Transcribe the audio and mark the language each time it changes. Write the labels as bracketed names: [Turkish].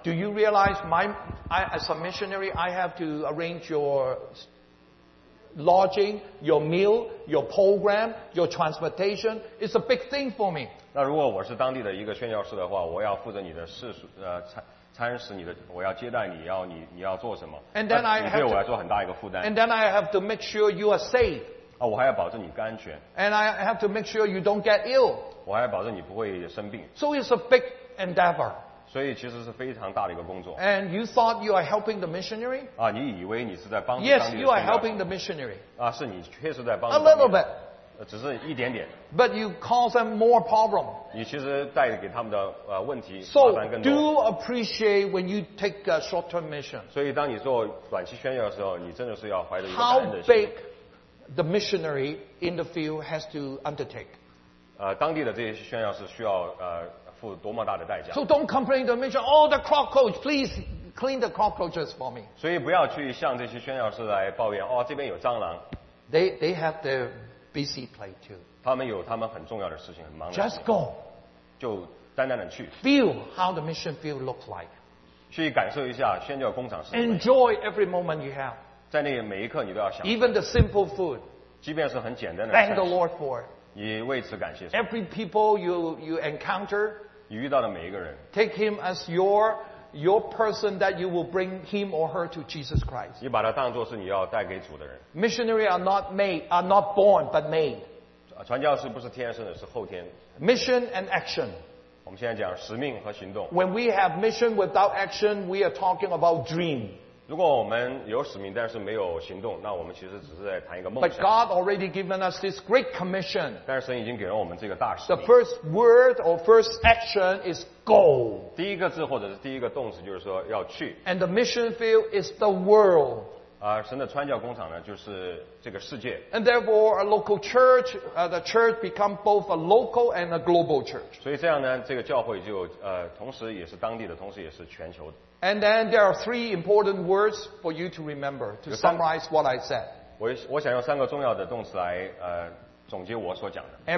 [English] ，Do you realize I as a missionary, I have to arrange your lodging, your meal, your program, your transportation. It's a big thing for me. [Chinese] 那如果我是当地的一个宣教士的话，我要负责你的食宿，餐食，你的，我要接待你，要你要做什么 [English] ？And then I have [Chinese] 对我来说很大一个负担。 [English] And then I have to make sure you are safe. [Chinese] 啊，我还要保证你安全。 [English] And I have to make sure you don't get ill. [Chinese] 我还要保证你不会生病。 [English] So it's a big endeavor. [Chinese] 所以其实是非常大的一个工作。 [English] And you thought you are helping the missionary? [Chinese] 啊，你以为你是在帮助。 [English] Yes, you are helping the missionary. [Chinese] 啊，是你确实在帮助。 [English] A little bit. [Chinese] 只是一点点。 [English] But you cause them more problem. [Chinese] 你其实带给他们的问题麻烦更多。 [English] So do appreciate when you take a short-term mission. [Chinese] 所以当你做短期宣教的时候，你真的是要怀着一个感恩的心。 [English] How big the missionary in the field has to undertake? [Chinese] 当地的这些宣教是需要 [English] So don't complain to the mission. Oh, the cockroach! Please clean the cockroaches for me. [Chinese] 所以不要去向这些宣教士来抱怨。哦，这边有蟑螂。 [English] They have their busy plate too. [Chinese] 他们有他们很重要的事情，很忙。 [English] Just go. [Chinese] 就单单的去。 [English] Feel how the mission field looks like. [Chinese] 去感受一下宣教工厂是。 [English] Enjoy every moment you have. [Chinese] 在那每一刻你都要享受。 [English] Even the simple food. [Chinese] 即便是很简单的。 [English] Thank the Lord for it. [Chinese] 你为此感谢。 [English] Every people you encounter, [Chinese] 你遇到的每一个人 [English] ，take him as your person that you will bring him or her to Jesus Christ. [Chinese] 你把他当作是你要带给主的人。 [English] Missionary are not born but made. [Chinese] 传教士不是天生的，是后天。 [English] Mission and action. [Chinese] 我们现在讲使命和行动。 [English] When we have mission without action, we are talking about dream. [Chinese] 如果我们有使命但是没有行动，那我们其实只是在谈一个梦想。 [English] But God already given us this great commission. [Chinese] 但是神已经给了我们这个大使命。 [English] The first word or first action is go. [Chinese] 第一个字或者是第一个动词就是说要去。 [English] And the mission field is the world. [Chinese] 神的传教工厂呢就是这个世界。 [English] And therefore a local church, the church become both a local and a global church. [Chinese] 所以这样呢，这个教会就同时也是当地的，同时也是全球的。 [English] And then there are three important words for you to remember to summarize what I said. [Chinese] 我想用三个重要的动词来总结我所讲的。